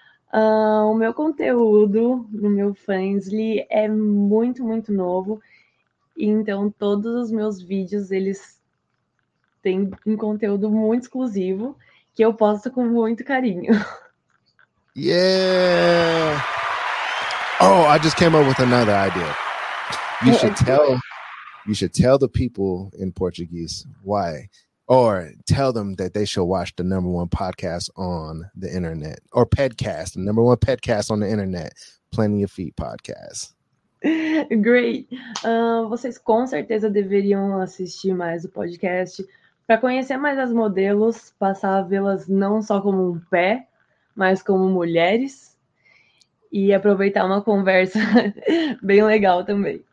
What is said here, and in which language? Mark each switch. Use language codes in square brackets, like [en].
[pt] O meu conteúdo no meu Fansly é muito, muito novo. Então, todos os meus vídeos, eles têm um conteúdo muito exclusivo que eu posto com muito carinho. [en] Yeah! Oh, I just came up with another idea. You should tell the people in Portuguese why, or tell them that they should watch the number one podcast on the internet, or podcast, the number one podcast on the internet, Plenty of Feet Podcast. Great. [pt] Vocês com certeza deveriam assistir mais o podcast para conhecer mais as modelos, passar a vê-las não só como um pé, mas como mulheres, e aproveitar uma conversa bem legal também.